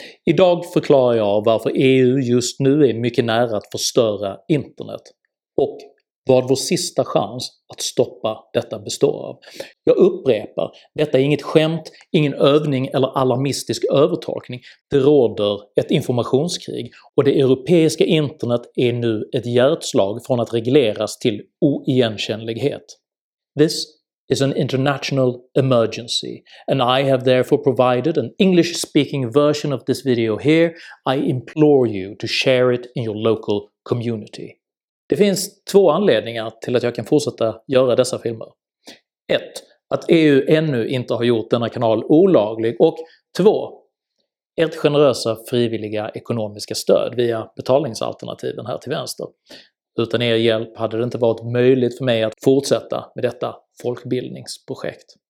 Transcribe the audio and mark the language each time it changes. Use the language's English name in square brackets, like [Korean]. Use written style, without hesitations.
[Swedish] Idag förklarar jag varför EU just nu är mycket nära att förstöra internet och vad vår sista chans att stoppa detta består av. Jag upprepar, detta är inget skämt, ingen övning eller alarmistisk övertolkning. Det råder ett informationskrig och det europeiska internet är nu ett hjärtslag från att regleras till oigenkännlighet. [English] This is an international emergency, and I have therefore provided an English-speaking version of this video here. I implore you to share it in your local community. [Swedish] Det finns två anledningar till att jag kan fortsätta göra dessa filmer. 1. Att EU ännu inte har gjort denna kanal olaglig, och 2. Ert generösa frivilliga ekonomiska stöd via betalningsalternativen här till vänster. Utan er hjälp hade det inte varit möjligt för mig att fortsätta med detta folkbildningsprojekt.